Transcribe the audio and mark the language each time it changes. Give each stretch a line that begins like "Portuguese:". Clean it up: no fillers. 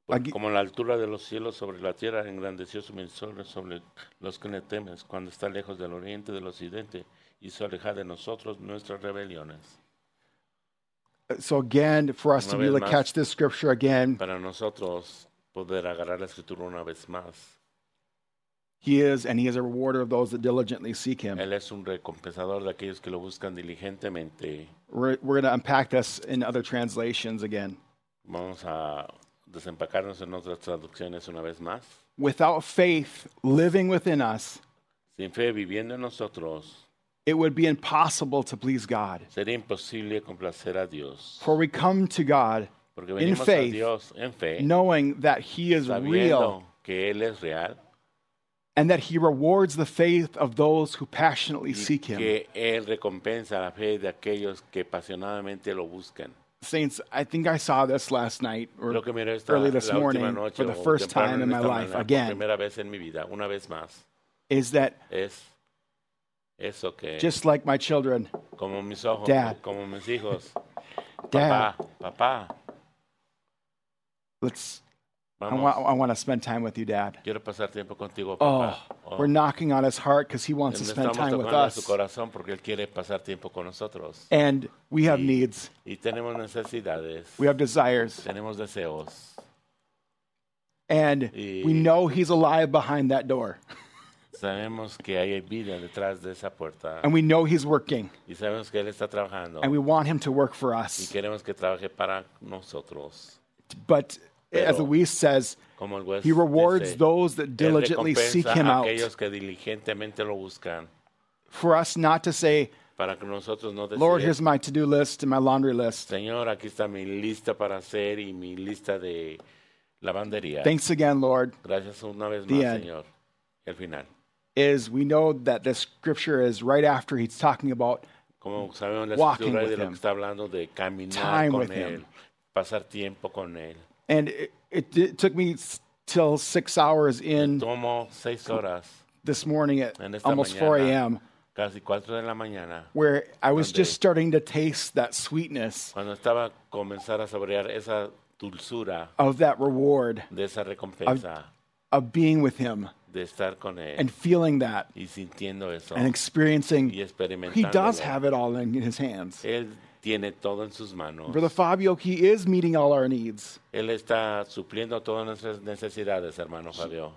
Spanish: Como la altura de los cielos sobre la tierra, engrandeció su misericordia sobre los que le temen, cuando está lejos del oriente, del occidente, hizo alejar de nosotros nuestras rebeliones.
English: So again, for us to be able to catch this scripture again,
Spanish: para nosotros poder agarrar la escritura una vez más,
English: He is a rewarder of those that diligently seek him.
Spanish: Él es un recompensador de aquellos que lo buscan diligentemente.
English: We're going to unpack this in other translations again.
Spanish: Vamos a desempacarnos en otras traducciones una vez más.
English: Without faith living within us,
Spanish: sin fe viviendo en nosotros,
English: it would be impossible to please God.
Spanish: Sería imposible complacer a Dios.
English: For we come to God
Spanish: porque venimos
English: in faith,
Spanish: a Dios en fe,
English: knowing that he is
Spanish: sabiendo
English: real.
Spanish: Que él es real.
English: And that he rewards the faith of those who passionately seek him.
Spanish: Que él recompensa la fe de aquellos que apasionadamente lo buscan.
English: Saints, I think I saw this last night or early this morning for the first time in my life again.
Spanish: Primera vez en mi vida, una vez más.
English: Is that
Spanish: es okay.
English: Just like my children.
Spanish: Como mis ojos,
English: Dad.
Spanish: Como mis hijos.
English: Dad.
Spanish: Papá.
English: Let's... I want to spend time with you, Dad.
Spanish: Quiero pasar tiempo contigo, papá.
English: Oh, we're knocking on his heart because he wants to spend time with us.
Spanish: Su corazón porque él quiere pasar tiempo con nosotros.
English: And we have needs.
Spanish: Y tenemos necesidades.
English: We have desires.
Spanish: Tenemos deseos.
English: And we know he's alive behind that door.
Spanish: Sabemos que hay vida detrás de esa puerta.
English: And we know he's working.
Spanish: Y sabemos que él está trabajando.
English: And we want him to work for us.
Spanish: Y queremos que trabaje para nosotros.
English: But as the West says, he rewards
Spanish: dice,
English: those that diligently seek him out.
Spanish: Que diligentemente lo buscan.
English: For us not to say,
Spanish: para que nosotros no decide,
English: Lord, here's my to-do list and my laundry list.
Spanish: Señor, aquí está mi lista para hacer y mi lista de lavandería.
English: Thanks again, Lord.
Spanish: Gracias una vez más, Señor. El final.
English: Is we know that the scripture is right after he's talking about
Spanish: como sabemos, la
English: walking with him.
Spanish: Que está hablando de caminar
English: time
Spanish: con
English: with
Spanish: él,
English: him.
Spanish: Pasar tiempo con él.
English: And it took me till 6 hours in
Spanish: tomo seis horas
English: this morning at
Spanish: en esta
English: almost
Spanish: mañana,
English: 4 a.m.
Spanish: Casi 4 de la mañana,
English: where I was just starting to taste that sweetness
Spanish: cuando estaba comenzar a saborear esa dulzura
English: of that reward
Spanish: de esa recompensa,
English: of being with him.
Spanish: De estar con él,
English: and feeling that
Spanish: y sintiendo eso,
English: and experiencing
Spanish: y experimentándolo.
English: He does have it all in his hands.
Spanish: Él tiene todo en sus manos.
English: Brother Fabio, he is meeting all our needs.
Spanish: Él está supliendo todas nuestras necesidades, hermano Fabio.